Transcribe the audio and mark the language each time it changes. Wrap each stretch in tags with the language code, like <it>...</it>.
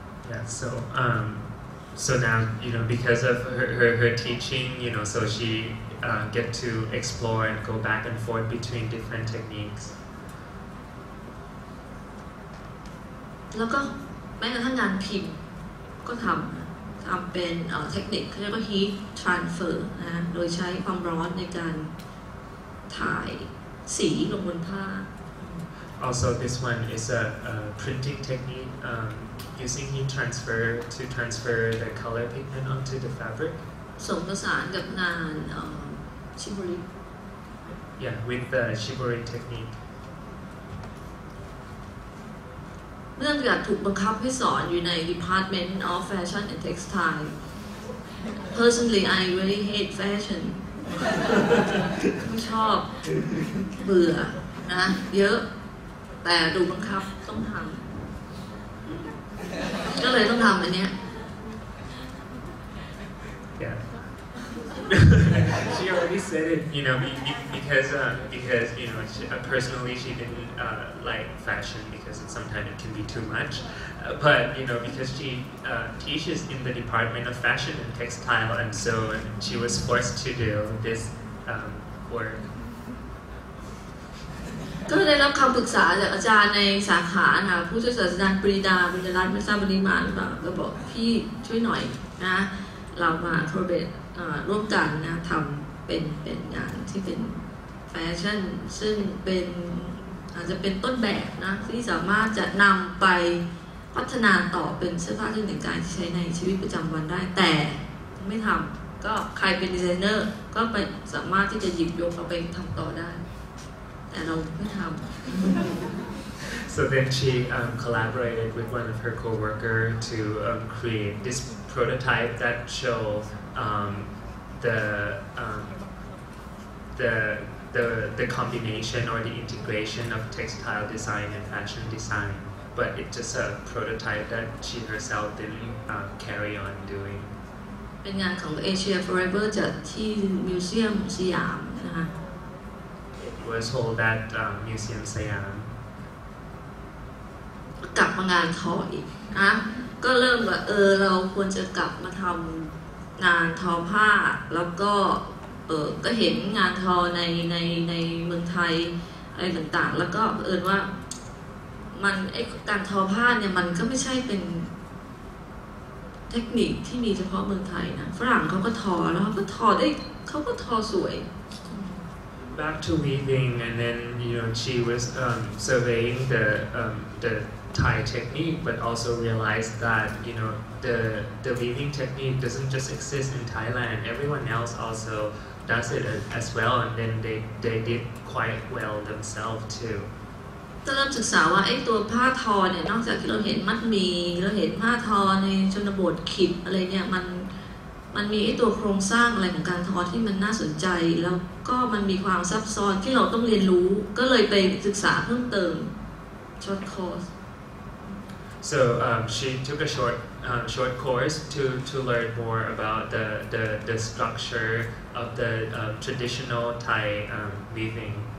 <en>Yeah so so now you know because of her teaching you know so she get to explore and go back and forth between different techniques</en> <th>แล้วก็แม้กระทั่งงานพิมพ์ก็ทำเป็นเทคนิคเรียกว่า heat transfer นะโดยใช้ความร้อนในการถ่ายสีลงบนผ้า</th> <en>also this one is a printing technique using heat transfer to transfer the color pigment onto the fabric</en> <th>ส่งประสานกับงานชิบุริ</th> <en>yeah with the shibori technique</en> <th>เนื่องจากถูกบังคับให้สอนอยู่ใน</th> <en>department of fashion and textile personally I really hate fashion</en> <th>ไม่ชอบเบื่อนะเยอะแต่ถูกบังคับต้องทำก็เลยต้องทำอันเนี้ย</th> <en>She already said it you know because you know personally she didn't like fashion because sometimes it can be too much but you know because she teaches in the department of fashion and textile and so she was forced to do this work</en> <th>ก็ได้รับคำปรึกษาจากอาจารย์ในสาขานะผู้ช่วยศาสตราจารย์ปรีดาบุญรัตน์ไม่ทราบวันนี้มาหรือเปล่าก็บอกพี่ช่วยหน่อยนะเรามาโครเบตร่วมกันนะทำเป็นงานที่เป็นแฟชั่นซึ่งเป็น อาจจะเป็นต้นแบบนะที่สามารถจะนำไปพัฒนาต่อเป็นเสื้อผ้าที่ในการใช้ในชีวิตประจำวันได้แต่ไม่ทำก็ใครเป็นดีไซเนอร์ก็ไปสามารถที่จะหยิบยกเอาไปทำต่อได้แต่เราไม่ทำ</th> <en>So then she collaborated with one of her co-worker to create this prototype that showsthe combination or the integration of textile design and fashion design, but it's just a prototype that she herself didn't carry on doing.</en> <th>เป็นงานของ Asia Forever จัดที่ Museum Siam นะคะ</th> <en>It was held at Museum Siam.</en> <th>กลับมางานทออีกนะก็เริ่มว่าเราควรจะกลับมาทำงานทอผ้าแล้วก็ก็เห็นงานทอในเมืองไทยอะไรต่างๆแล้วก็เอิญว่ามันไอ้การทอผ้าเนี่ยมันก็ไม่ใช่เป็นเทคนิคที่มีเฉพาะเมืองไทยนะฝรั่งเขาก็ทอแล้วก็ทอได้เขาก็ทอสวย</th> <en>Back to weaving and then you know she was surveying the Thai technique but also realized that you know the weaving technique doesn't just exist in Thailand everyone else also does it as well and then they did quite well themselves too</en> <th>ก็เริ่มศึกษาว่าไอ้ตัวผ้าทอเนี่ยนอกจากที่เราเห็นมัดหมี่เราเห็นผ้าทอในชนบทขิดอะไรเนี่ยมันมีไอ้ตัวโครงสร้างอะไรของการทอที่มันน่าสนใจแล้วก็มันมีความซับซ้อนที่เราต้องเรียนรู้ก็เลยไปศึกษาเพิ่มเติมช็อตคอร์ส</th> <en>So she took a short course to learn more about the structure of the traditional Thai weaving.</en>